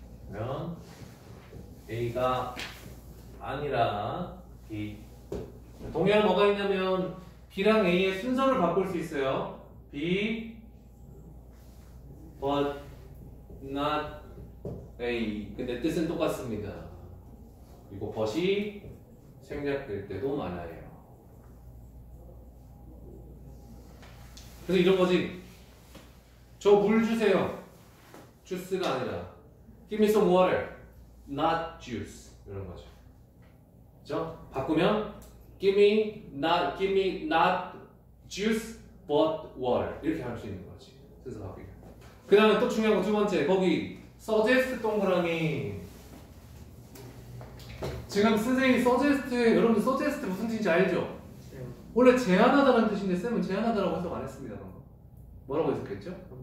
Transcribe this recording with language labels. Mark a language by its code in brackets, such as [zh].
[ko] 그러면 A가 아니라 B 동의할 뭐가 있냐면 B랑 A의 순서를 바꿀 수 있어요 [en] B but not A [ko] 근데 뜻은 똑같습니다 그리고 but이 생략될 때도 많아요 그래서 이런 거지 저 물 주세요 주스가 아니라 [en] Give me some water, not juice. [ko] 이런 거죠. 그죠? 바꾸면, [en] give me not juice, but water. [ko] 이렇게 할 수 있는 거지. 뜻을 바꾸기. 그 다음에 또 중요한 거, 두 번째. 거기, suggest 동그라미. 지금 선생님이 suggest, 여러분들 suggest 무슨 뜻인지 알죠? 원래 제안하다라는 뜻인데, 쌤은 제안하다라고 해석 안 했습니다. 방금. 뭐라고 해석했죠?